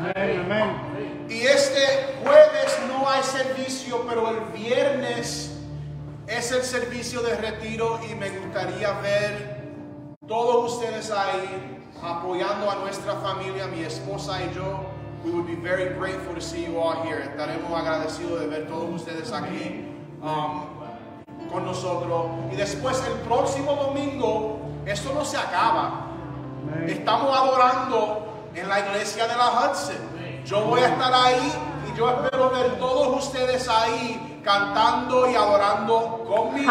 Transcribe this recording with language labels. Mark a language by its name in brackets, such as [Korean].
[Spanish] Amen. Y este jueves no hay servicio, pero el viernes es el servicio de retiro y me gustaría ver todos ustedes ahí apoyando a nuestra familia, mi esposa y yo. [English] We would be very grateful to see you all here. [Spanish] Estaremos agradecidos de ver todos ustedes aquí con nosotros. Y después el próximo domingo, esto no se acaba. Estamos adorando en la iglesia de la Hudson. Yo voy a estar ahí y yo espero ver todos ustedes ahí cantando y adorando conmigo.